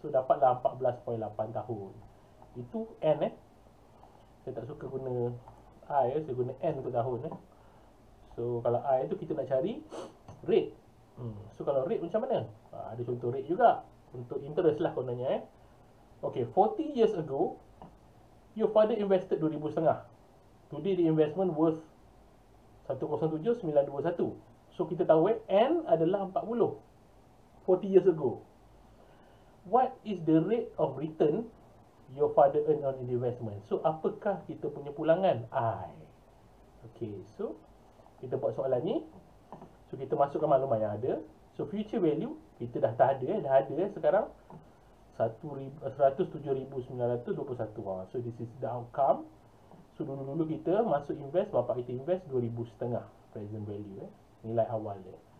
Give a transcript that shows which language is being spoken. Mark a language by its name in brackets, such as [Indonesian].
[Malay] So dapatlah 14.8 tahun. Itu N eh. Saya tak suka guna I eh. Saya guna N untuk tahun eh. So kalau I tu kita nak cari rate. So kalau rate macam mana? Ada contoh rate juga. Untuk interest lah kononnya eh. [English] Okay, 40 years ago, your father invested $2,500. Today the investment worth $107,921. [Malay] So kita tahu eh, N adalah 40. [English] 40 years ago. What is the rate of return your father earned on the investment? [Malay] So apakah kita punya pulangan? I. Okay, so kita buat soalan ni. So kita masukkan maklumat yang ada. So future value kita dah tak ada eh. Dah ada eh sekarang. 107,921. [English] So this is the outcome. [Malay] So dulu-dulu kita masuk invest, bapak kita invest 2,500 present value eh. Nilai awal dia.